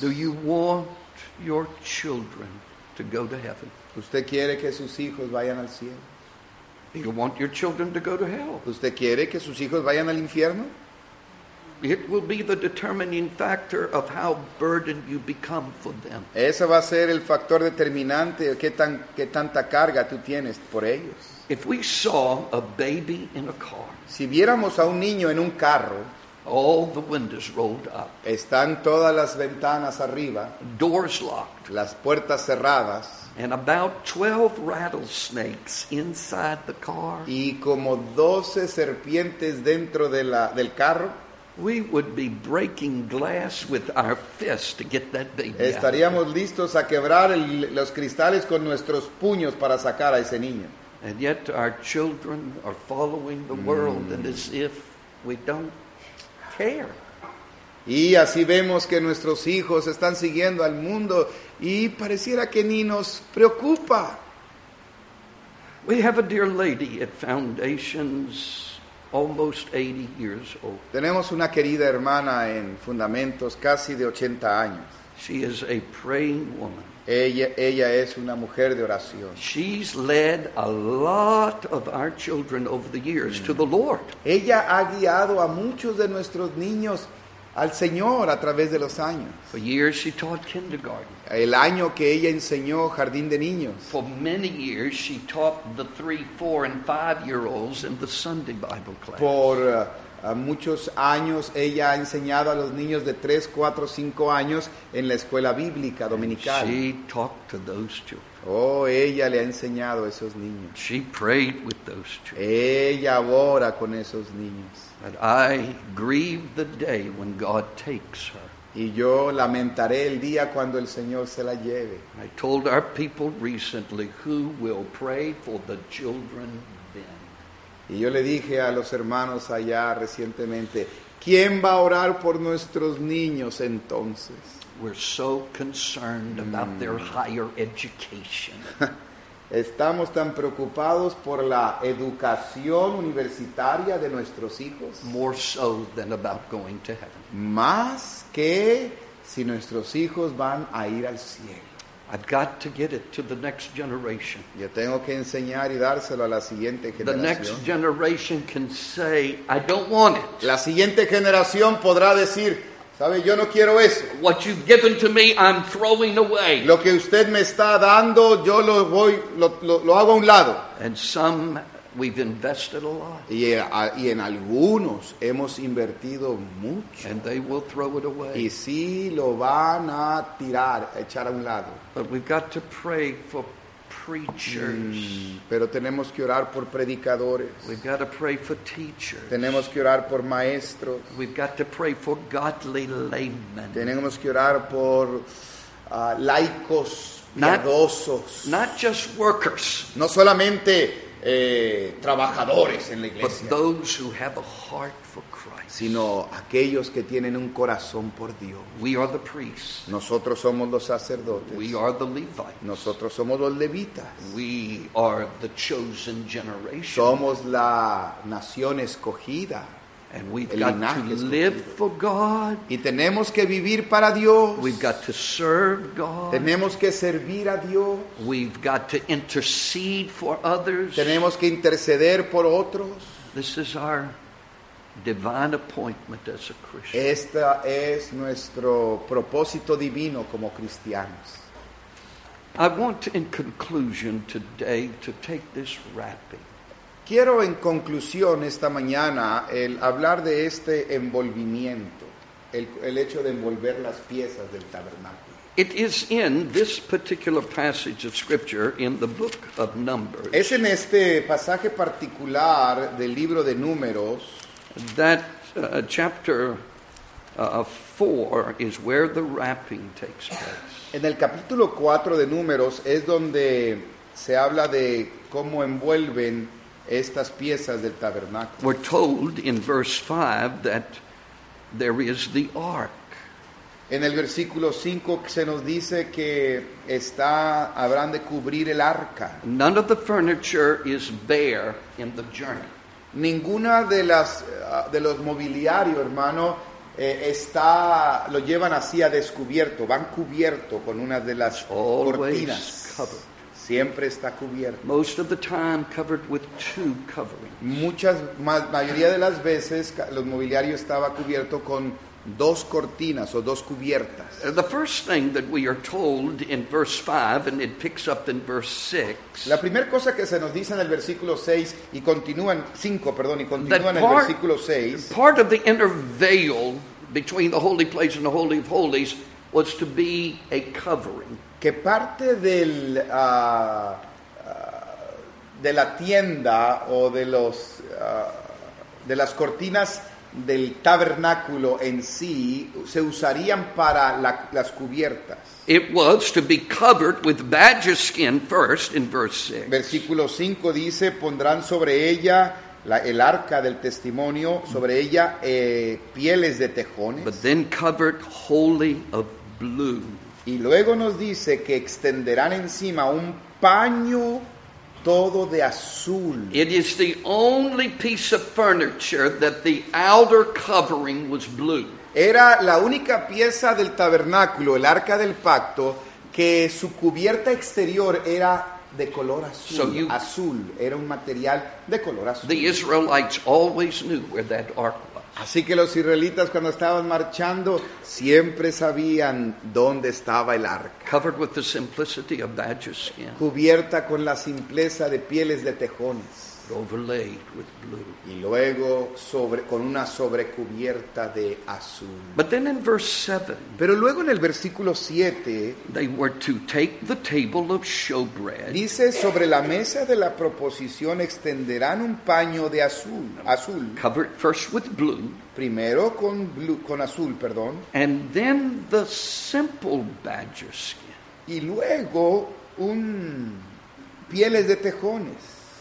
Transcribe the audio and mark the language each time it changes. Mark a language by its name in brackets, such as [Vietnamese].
[English] Do you want your children to go to heaven? [Spanish] ¿Usted quiere que sus hijos vayan al cielo? [English] Do you want your children to go to hell? [Spanish] ¿Usted quiere que sus hijos vayan al infierno? [English] It will be the determining factor of how burdened you become for them. [Spanish] Ese va a ser el factor determinante de qué tanta carga tú tienes por ellos. [English] If we saw a baby in a car, [Spanish] si viéramos a un niño en un carro, [English] all the windows rolled up, [Spanish] están todas las ventanas arriba, [English] doors locked, [Spanish] las puertas cerradas, [English] and about 12 rattlesnakes inside the car, [Spanish] y como 12 serpientes dentro del carro, [English] we would be breaking glass with our fists to get that baby. [Spanish] Estaríamos listos a quebrar los cristales con nuestros puños para sacar a ese niño. [English] And yet our children are following the world, and as if we don't care. [Spanish] Y así vemos que nuestros hijos están siguiendo al mundo y pareciera que ni nos preocupa. [English] We have a dear lady at Foundations, almost 80 years old. [Spanish] Tenemos una querida hermana en Fundamentos, casi de 80 años. [English] She is a praying woman. [Spanish] Ella es una mujer de oración. [English] She's led a lot of our children over the years to the Lord. [Spanish] Ella ha guiado a muchos de nuestros niños al Señor a través de los años. [English] For years she taught kindergarten. [Spanish] El año que ella enseñó jardín de niños. [English] For many years she taught the 3, 4, and 5-year-olds in the Sunday Bible class. [Spanish] Por muchos años ella ha enseñado a los niños de 3, 4, 5 años en la escuela bíblica dominical. [English] She talked to those children. [Spanish] Oh, ella le ha enseñado a esos niños. [English] She prayed with those children. [Spanish] Ella ora con esos niños. [English] But I grieve the day when God takes her. [Spanish] Y yo lamentaré el día cuando el Señor se la lleve. [English] I told our people recently, who will pray for the children then? [Spanish] Y yo le dije a los hermanos allá recientemente, ¿quién va a orar por nuestros niños entonces? [English] We're so concerned about their higher education. [Spanish] Estamos tan preocupados por la educación universitaria de nuestros hijos. [English] More so than about going to heaven. [Spanish] Más que si nuestros hijos van a ir al cielo. [English] I've got to get it to the next generation. [Spanish] Yo tengo que enseñar y dárselo a la siguiente generación. [English] The next generation can say, I don't want it. [Spanish] La siguiente generación podrá decir, sabe, yo no quiero eso. [English] What you've given to me, I'm throwing away. [Spanish] Lo que usted me está dando, yo lo voy, lo hago a un lado. [English] And some, we've invested a lot. [Spanish] Y en algunos hemos invertido mucho. [English] And they will throw it away. [Spanish] Y sí, lo van a tirar, a echar a un lado. [English] But we've got to pray for preachers. [Spanish] Pero tenemos que orar por predicadores. [English] We've got to pray for teachers. [Spanish] Tenemos que orar por maestros. [English] We've got to pray for godly laymen. [Spanish] Tenemos que orar por laicos piadosos. [English] Not just workers. [Spanish] No solamente trabajadores en la iglesia. [English] But those who have a heart for Christ. [Spanish] Sino aquellos que tienen un corazón por Dios. [English] We are the priests. [Spanish] Nosotros somos los sacerdotes. [English] We are the Levites. [Spanish] Nosotros somos los levitas. [English] We are the chosen generation. [Spanish] Somos la nación escogida. [English] And we've got to live for God. [Spanish] Y tenemos que vivir para Dios. [English] We've got to serve God. [Spanish] Tenemos que servir a Dios. [English] We've got to intercede for others. [Spanish] Tenemos que interceder por otros. [English] This is our divine appointment as a Christian. [Spanish] Esta es nuestro propósito divino como cristianos. [English] I want to, in conclusion today, to take this wrapping. [Spanish] Quiero en conclusión esta mañana el hablar de este envolvimiento, el hecho de envolver las piezas del tabernáculo. [English] It is in this particular passage of scripture in the book of Numbers. [Spanish] Es en este pasaje particular del libro de Números. [English] That chapter 4 is where the wrapping takes place. [Spanish] En el capítulo 4 de Números es donde se habla de cómo envuelven estas piezas del tabernáculo. [English] We're told in verse 5 that there is the ark. [Spanish] En el versículo 5 se nos dice que está, habrán de cubrir el arca. [English] None of the furniture is bare in the journey. [Spanish] Ninguna de las de los mobiliario, hermano, está, lo llevan así a descubierto, van cubierto con una de las cortinas. [English] Covered. [Spanish] Siempre está cubierto. [English] Most of the time covered with two coverings. [Spanish] Mayoría de las veces los mobiliario estaba cubierto con dos cortinas o dos cubiertas. [English] The first thing that we are told in verse 5 and it picks up in verse 6. [Spanish] La primera cosa que se nos dice en el versículo 6 y continúan 5, perdón, y continúan en el versículo 6. [English] Part of the inner veil between the holy place and the holy of holies was to be a covering. [Spanish] Que parte del de la tienda o de los de las cortinas del tabernáculo en sí se usarían para las cubiertas. [English] It was to be covered with badger skin first in verse 6. [Spanish] Versículo 5 dice, pondrán sobre ella el arca del testimonio, sobre ella pieles de tejones. [English] But then covered wholly of blue. [Spanish] Y luego nos dice que extenderán encima un paño todo de azul. [English] It is the only piece of furniture that the outer covering was blue. [Spanish] Era la única pieza del tabernáculo, el arca del pacto, que su cubierta exterior era de color azul. [English] So you, [Spanish] azul, era un material de color azul. [English] The Israelites always knew where that ark was. [Spanish] Así que los israelitas cuando estaban marchando siempre sabían dónde estaba el arca. [English] Covered with the simplicity of badger skin. [Spanish] Cubierta con la simpleza de pieles de tejones. [English] Overlaid with blue. [Spanish] Y luego sobre, con una sobrecubierta de azul. [English] But then in verse 7, [Spanish] pero luego en el versículo 7, [English] they were to take the table of showbread. [Spanish] Dice, sobre la mesa de la proposición extenderán un paño de azul. [English] Covered first with blue. [Spanish] Primero con blue, con azul, perdón. [English] And then the simple badger skin. [Spanish] Y luego un pieles de tejones.